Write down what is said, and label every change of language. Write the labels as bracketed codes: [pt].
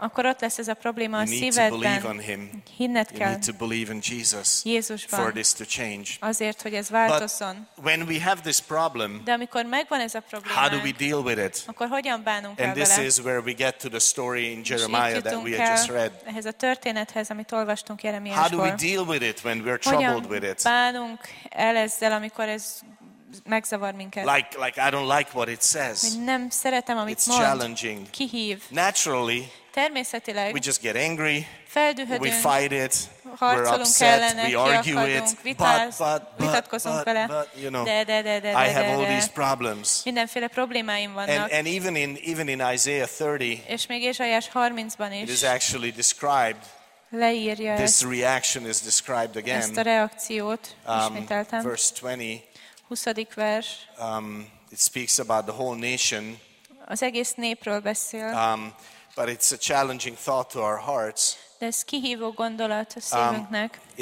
[hu] Akkor ott lesz ez a probléma a szívedben. Hinned kell. [en] You need to believe in Jesus. [hu] Jézusban. [en] For this to change. [hu] Azért, hogy ez változzon. [en] But when we have this problem, [hu] de amikor megvan ez a probléma, [en] how do we deal with it? [hu] Akkor hogyan bánunk [en] And this is where we get to the story in Jeremiah that we had just read. [hu] Ehhez a történethez, amit olvastunk Jeremiásból. [en] How do we deal with it when we're troubled with it? [hu] Hogyan bánunk el ezzel, amikor ez megzavar minket. [en] Like I don't like what it says. [hu] Nem szeretem, amit [en] It's [hu] mond. [en] It's challenging. [hu] Kihív. [en] Naturally, [hu] természetileg, [en] we just get angry. [hu] Feldühödünk. [en] We fight it. [hu] Harcolunk [en] we're upset. [hu] Ellene, [en] we argue it. [hu] Vitatkozunk vele. [en] I have all these problems. [hu] Mindenféle problémáim vannak. [en] And even in Isaiah 30, [hu] és még Ézsaiás 30-ban is, [en] it is actually described. [hu] Leírja [en] this reaction is described again. [hu] Ezt a reakciót ismételtem. [en] Verse 20. [hu] 20. vers. [en] It speaks about the whole nation. [hu] Az egész népről beszél. [en] But it's a challenging thought to our hearts. [hu] De ez kihívó gondolat a szívünknek.